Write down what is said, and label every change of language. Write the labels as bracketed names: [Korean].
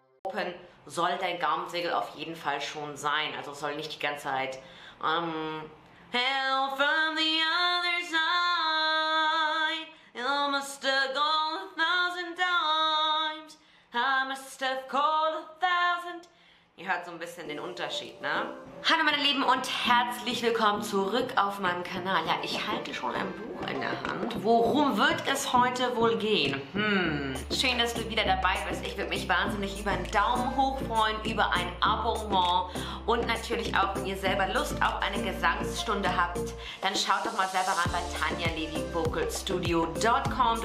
[German] können, soll dein Gartensegel auf jeden Fall schon sein. Also soll nicht die ganze Zeit [English] Hell from the other side, you must have gone a thousand times, I must have called a thousand. [German] Ihr hört so ein bisschen den Unterschied, ne? Hallo meine Lieben und herzlich willkommen zurück auf meinem Kanal. Ja, ich halte schon ein Buch in der Hand. Worum wird es heute wohl gehen? Schön, dass du wieder dabei bist. Ich würde mich wahnsinnig über einen Daumen hoch freuen, über ein Abonnement und natürlich auch, wenn ihr selber Lust auf eine Gesangsstunde habt, dann schaut doch mal selber rein bei tanjalevivocalstudio.com.